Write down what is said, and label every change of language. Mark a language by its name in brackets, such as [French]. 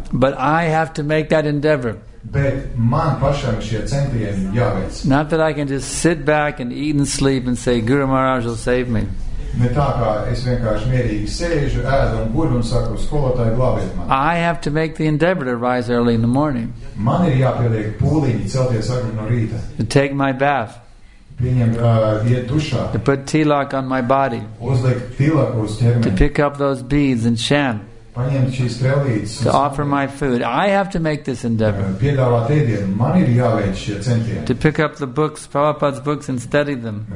[English] But I have to make that endeavor. [Latvian] Bet man pašam šie centieni jāveic. [English] Not that I can just sit back and eat and sleep and say, Guru Maharaj will save me. [Latvian] Ne tā, kā es vienkārši mierīgi sēžu, ēdu un guļu un saku, skolotāji, glābiet mani. [English] I have to make the endeavor to rise early in the morning. [Latvian] Man ir jāpieliek pūliņi celties agri no rīta. [English] To take my bath. To put tilak on my body. To pick up those beads and chant. To offer my food. I have to make this endeavor. To pick up the books, Prabhupada's books, and study them.